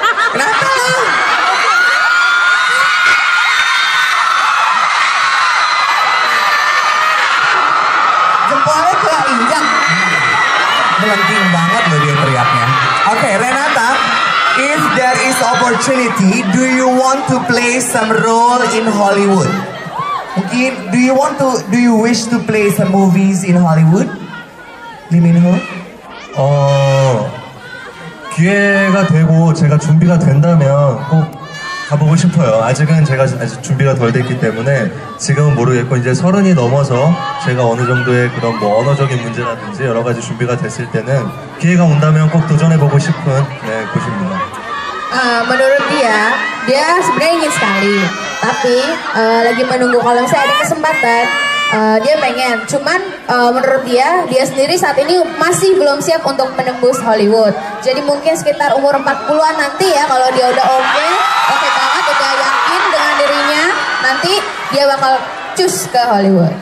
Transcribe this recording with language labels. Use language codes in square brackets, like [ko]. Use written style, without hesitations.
[id] Renata. Jempolnya kok injak. Melengking banget loh dia teriaknya. [en] Okay, Renata, if there is opportunity, do you want to play some role in Hollywood? [id] Mungkin, [en] do you wish to play some movies in Hollywood? Lee Min Ho? [ko] 기회가 되고 제가 준비가 된다면 꼭 가보고 싶어요. 아직은 제가 아직 준비가 덜 됐기 때문에 지금은 모르겠고 이제 서른이 넘어서 제가 어느 정도의 그런 뭐 언어적인 문제라든지 여러 가지 준비가 됐을 때는 기회가 온다면 꼭 도전해보고 싶은 네, 곳입니다. [id] Menurut dia, dia sebenarnya ingin sekali, tapi lagi menunggu kalau misalnya ada kesempatan. Dia pengen, cuman menurut dia, dia sendiri saat ini masih belum siap untuk menembus Hollywood. Jadi mungkin sekitar umur 40-an nanti ya, kalau dia udah oke banget, udah yakin dengan dirinya, nanti dia bakal cus ke Hollywood.